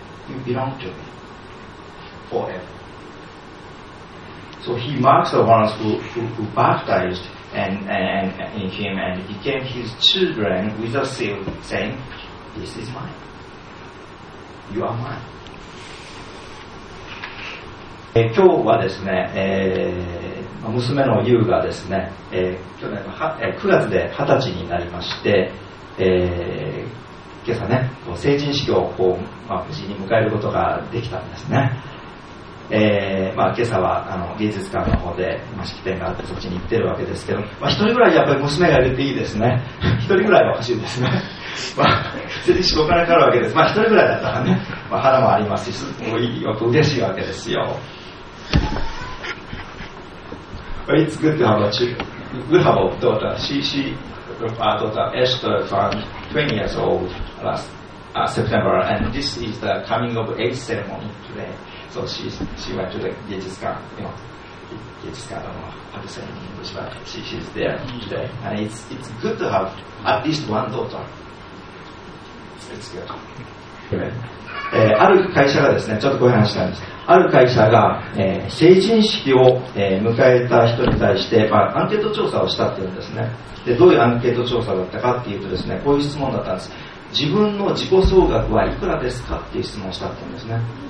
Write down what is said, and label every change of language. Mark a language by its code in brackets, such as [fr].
[en] You belong to me forever. So he marks the ones who baptized and in him and became his children with a seal, saying, this is mine. You are mine. [ja] 今日はですね、娘の優がですね、去年の9月で20歳になりまして、今朝ね、成人式をこう、まあ、無事に迎えることができたんですね。まあ、今朝はあの芸術館の方で式典があってそっちに行ってるわけですけど、まあ、一人ぐらいやっぱり娘がいるっていいですね。一人ぐらいは欲しいですね。まあ、全然仕事からかかるわけです。まあ、一人ぐらいだったらね、まあ、腹もありますし、もういいよと嬉しいわけですよ。 [en] It's good to have a child. We have a daughter. She our daughter Esther turned 20 years old last September, and this is the coming of age ceremony todaySo she went to the 芸術館, you know, 芸術館, I don't know how to say it in English, but she's there today. And it's good to have at least one daughter. It's good. [ja] ある会社がですね、ちょっとこういう話したんです。ある会社が、成人式を、迎えた人に対して、まあ、アンケート調査をしたっていうんですね。で、どういうアンケート調査だったかっていうとですね、こういう質問だったんです。自分の自己総額はいくらですかっていう質問をしたっていうんですね。